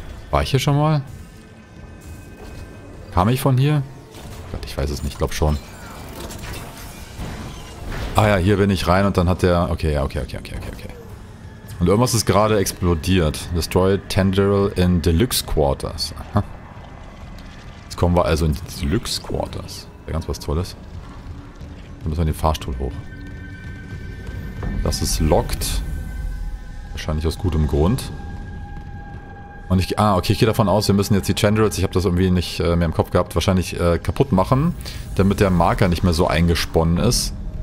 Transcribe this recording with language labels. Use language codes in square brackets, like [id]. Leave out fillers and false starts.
[de] War ich hier schon mal? Kam ich von hier? Gott, ich weiß es nicht, glaub schon. Ah ja, hier bin ich rein und dann hat der... Okay, ja, okay, okay, okay, okay, okay. Und irgendwas ist gerade explodiert. [en] Destroyed Tendril in Deluxe Quarters. [de] Aha. Jetzt kommen wir also in die Deluxe Quarters. Ja, ganz was Tolles. Dann müssen wir in den Fahrstuhl hoch. Das ist locked. Wahrscheinlich aus gutem Grund. Und ich... Ah, okay, ich gehe davon aus, wir müssen jetzt die Tendrils, ich habe das irgendwie nicht mehr im Kopf gehabt, wahrscheinlich kaputt machen, damit der Marker nicht mehr so eingesponnen ist.